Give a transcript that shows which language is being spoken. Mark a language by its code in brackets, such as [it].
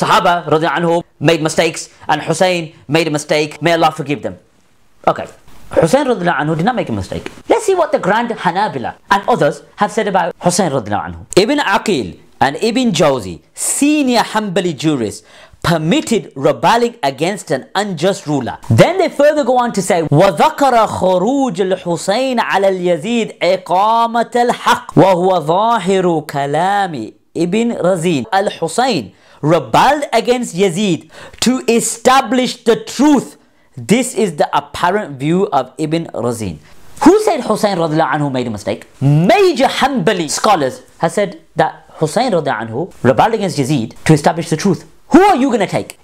[en] Sahaba رضي عنه made mistakes and Hussein made a mistake, may Allah forgive them. Okay. Hussein radiallahu anhu did not make a mistake. Let's see what the Grand Hanabila and others have said about Hussein radiallahu anhu. Ibn Aqil and Ibn Jawzi, senior Hanbali jurists, permitted rebelling against an unjust ruler. Then they further go on to say, [ar] وَذَكَرَ خُرُوجَ الْحُسَيْنَ عَلَى الْيَزِيدِ إِقَامَةَ الْحَقِّ وَهُوَ ظَاهِرُ كَلَامِ Ibn Razin. [en] Al-Hussein rebelled against Yazid to establish the truth. This is the apparent view of Ibn Razin. Who said Hussein radiallahu anhu made a mistake? Major Hanbali scholars have said that Hussein radiallahu anhu rebelled against Yazid to establish the truth. Who are you going to take?